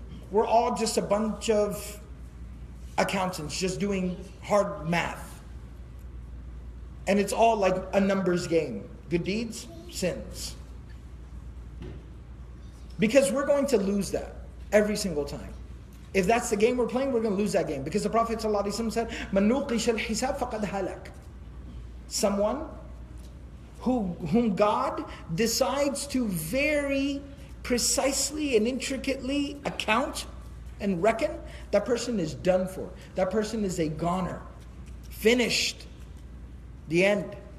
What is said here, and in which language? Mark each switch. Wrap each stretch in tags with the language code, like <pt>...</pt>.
<en>We're all just a bunch of accountants just doing hard math. And it's all like a numbers game. Good deeds, sins. Because we're going to lose that every single time. If that's the game we're playing, we're going to lose that game. Because the Prophet ﷺ said,</en> <ar>مَنُوْقِشَ الْحِسَابْ فَقَدْ هَلَكْ.</ar> <en>Someone whom God decides to very precisely and intricately account and reckon, that person is done for. That person is a goner. Finished. The end.</en>